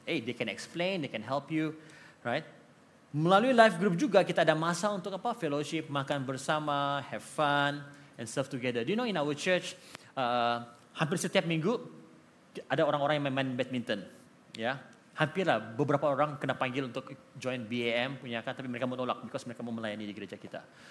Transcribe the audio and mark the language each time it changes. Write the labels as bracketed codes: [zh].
[en] Hey, they can explain, they can help you. Right? [ms] Melalui live group juga, kita ada masa untuk apa? [en] Fellowship, [ms] makan bersama, [en] have fun, and serve together. Do you know in our church, [ms] hampir setiap minggu ada orang-orang yang main badminton, ya. Hampirlah beberapa orang kena panggil untuk join BAM punya kan, tapi mereka menolak because mereka mau melayani di gereja kita.